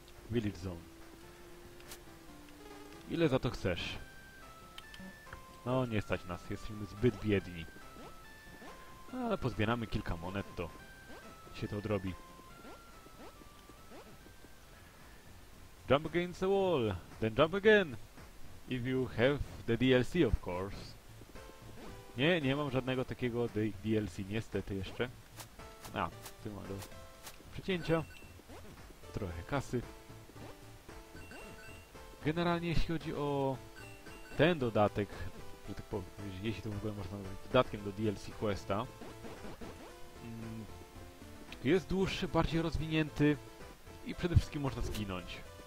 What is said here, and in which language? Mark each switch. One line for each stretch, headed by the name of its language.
English: Village Zone.
Polish: Ile za to chcesz? No, nie stać nas. Jesteśmy zbyt biedni. No, ale pozbieramy kilka monet, to się to odrobi.
English: Jump against the wall, then jump again. If you have the DLC, of course.
Polish: Nie, nie mam żadnego takiego DLC, niestety jeszcze. A, tu mam do przecięcia. Trochę kasy. Generalnie jeśli chodzi o ten dodatek, że tak powiem, jeśli to w ogóle można nazwać dodatkiem do DLC Questa, jest dłuższy, bardziej rozwinięty i przede wszystkim można zginąć.